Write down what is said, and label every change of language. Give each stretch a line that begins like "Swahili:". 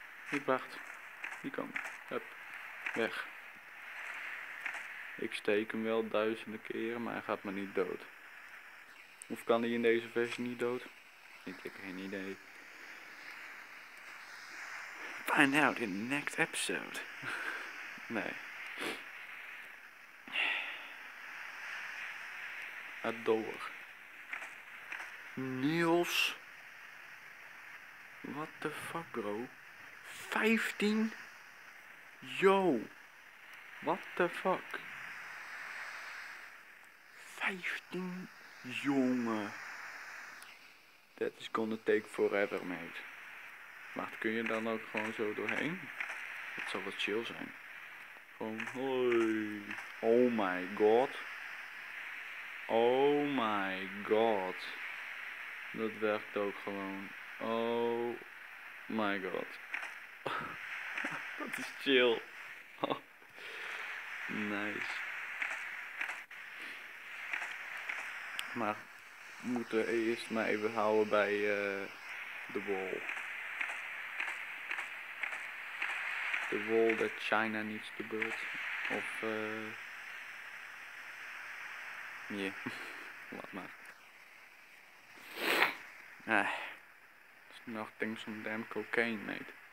Dutch: Ik wacht. Hier kom. Hup. Weg. Ik steek hem wel duizenden keren, maar hij gaat me niet dood. Of kan hij in deze versie niet dood? Ik heb geen idee.
English: Find out in the next episode.
Dutch: Nee. Adore. Niels.
English: What the fuck, bro? 15? Yo. What the fuck?
Dutch: 15, jongen.
English: That is gonna take forever, mate.
Dutch: Maar kun je dan ook gewoon zo doorheen? Het zal wel chill zijn. Gewoon, hoi.
English: Oh my god. Oh my god.
Dutch: Dat werkt ook gewoon.
English: Oh my god.
Dutch: Dat is chill. Nice. Maar we moeten eerst maar even houden bij de wall.
English: The wall that China needs to build. Of yeah.
Dutch: Laat maar.
English: It's nothing some damn cocaine, mate.